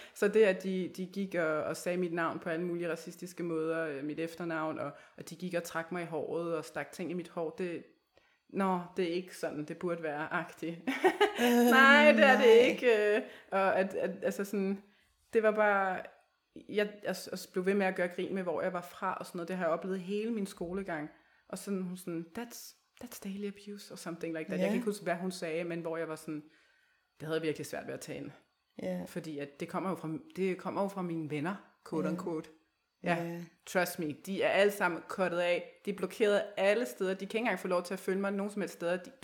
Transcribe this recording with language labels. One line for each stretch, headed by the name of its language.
Danish: Så det, at de gik og sagde mit navn på alle mulige racistiske måder, mit efternavn, og de gik og trak mig i håret og stak ting i mit hår, det er ikke sådan, det burde være-agtigt. Nej, det er det ikke. Og at altså sådan, det var bare, jeg blev ved med at gøre grin med, hvor jeg var fra og sådan noget. Det har jeg oplevet hele min skolegang. Og sådan, hun sådan,
English: that's daily abuse, or something like that.
Danish: Yeah. Jeg kan ikke huske, hvad hun sagde, men hvor jeg var sådan, det havde virkelig svært ved at tage ind.
English: Yeah.
Danish: Fordi at det kommer jo fra mine venner, quote unquote. Yeah. Ja,
English: trust me,
Danish: de er alle sammen cuttet af, de er blokeret alle steder, de kan ikke engang få lov til at følge mig nogen som helst steder.